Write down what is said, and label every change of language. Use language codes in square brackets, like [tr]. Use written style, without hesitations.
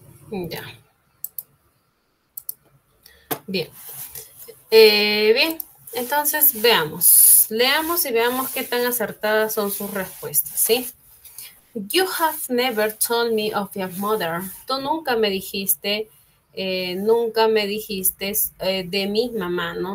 [es] Ya. Bien. Bien, entonces veamos. Leamos y veamos qué tan acertadas son sus respuestas, ¿sí? [en] You have never told me of your mother. [es] Tú nunca me dijiste, de mi mamá, ¿no?